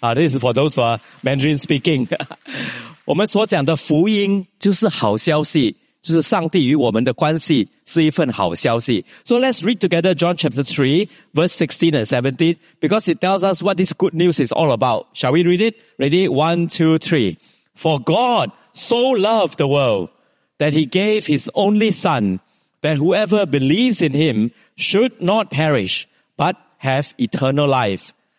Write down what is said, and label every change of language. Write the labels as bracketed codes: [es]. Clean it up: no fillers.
[en] This is for those who are Mandarin speaking. [zh] 我们所讲的福音就是好消息。就是上帝与我们的关系是一份好消息. [en] So let's read together John chapter 3, verse 16 and 17, because it tells us what this good news is all about. Shall we read it? Ready? 1, 2, 3. For God so loved the world that he gave his only Son, that whoever believes in him should not perish, but have eternal life.